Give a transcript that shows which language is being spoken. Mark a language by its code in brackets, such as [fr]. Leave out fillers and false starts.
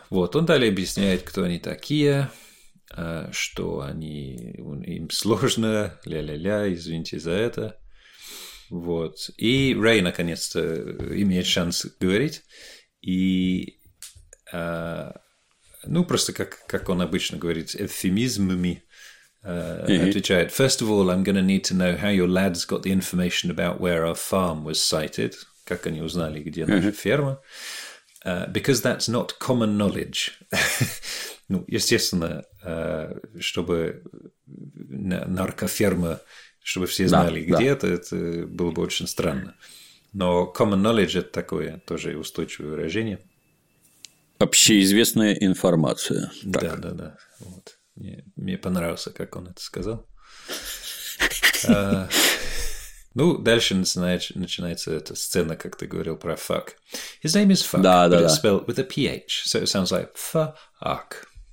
[ru] Вот, он далее объясняет, кто они такие... что они, им сложно, ля-ля-ля, извините за это. Вот. И Рэй наконец-то имеет шанс говорить. И, ну, просто как он обычно говорит, эвфемизмами отвечает. [en] First of all, I'm going to need to know how your lads got the information about where our farm was sited. [ru] Как они узнали, где наша ферма. [en] Because that's not common knowledge. [ru] Ну, естественно, чтобы наркоферма, чтобы все знали, да, где да. Это было бы очень странно. Но common knowledge – это такое тоже устойчивое выражение. Общеизвестная информация. Так. Да, да, да. Вот. Мне понравился, как он это сказал. Ну, дальше начинается эта сцена, как ты говорил, про fuck. [en] His name is fuck, but it's spelled with a ph, so it sounds like fuck.